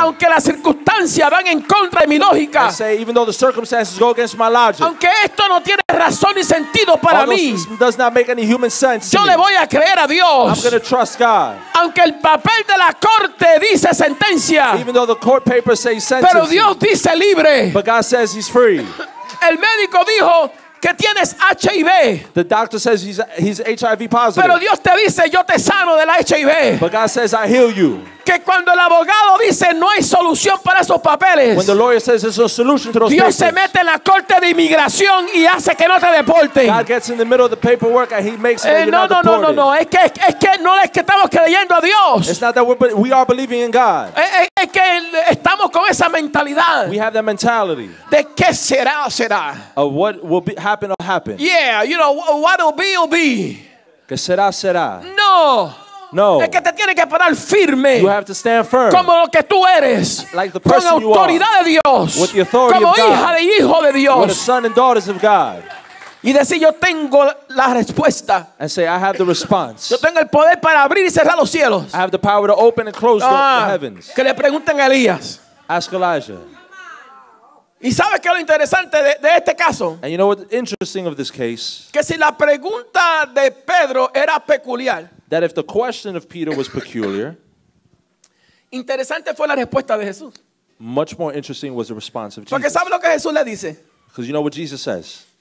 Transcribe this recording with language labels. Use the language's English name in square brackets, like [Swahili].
[Spanish] aunque las circunstancias van en contra de mi lógica. [English] And say even though the circumstances go against my logic. [Spanish] Aunque esto no tiene razón ni sentido para mí. [English] Does not make any human sense. [Spanish] Yo le voy a creer a Dios. [English] I'm going to trust God. [Spanish] Aunque el papel de la corte dice sentencia. [English] Even though the court papers say sentence. [Spanish] Pero Dios dice libre. [English] But God says He's free. [Spanish] El médico dijo que tienes HIV. [English] The doctor says he's HIV positive. [Spanish] Pero Dios te dice yo te sano del HIV. [English] But God says I heal you. [Spanish] Que cuando el abogado dice no hay solución para esos papeles, [English] when the lawyer says there's no solution to those [Spanish] Dios se mete en la corte de inmigración y hace que no te deporten. [English] God gets in the middle of the paperwork and He makes it that you're not deported. [Spanish] No, es que no es que estamos creyendo a Dios. [English] It's not that we are believing in God. [Spanish] Es que estamos con esa mentalidad. [English] We have that mentality. [Spanish] De qué será, será. [English] Of what will be, happen will happen. Yeah, you know what will be will be. [Spanish] Que será, será. No. No. Es que te tienes que parar firme. [English] You have to stand firm. [Spanish] Como lo que tú eres. [English] Like the person [Spanish] con autoridad [English] you are, [Spanish] de Dios. [English] With the authority [Spanish] como [English] of God. [Spanish] Hija de hijo de Dios. [English] With the son and daughters of God. [Spanish] Y decir yo tengo la respuesta. [English] And say I have the response. [Spanish] Yo tengo el poder para abrir y cerrar los cielos. [English] I have the power to open and close the heavens. [Spanish] Que le pregunten a Elías. [English] Ask Elijah. [Spanish] ¿Y sabes qué es lo interesante de este caso? [English] And you know what's interesting of this case? [Spanish] Que si la pregunta de Pedro era peculiar. [English] That if the question of Peter was peculiar, [Spanish] interesante fue la respuesta de Jesús. [English] Much more interesting was the response of Jesus. [Spanish] Porque sabe lo que Jesús le dice. [English] Because you know what Jesus says.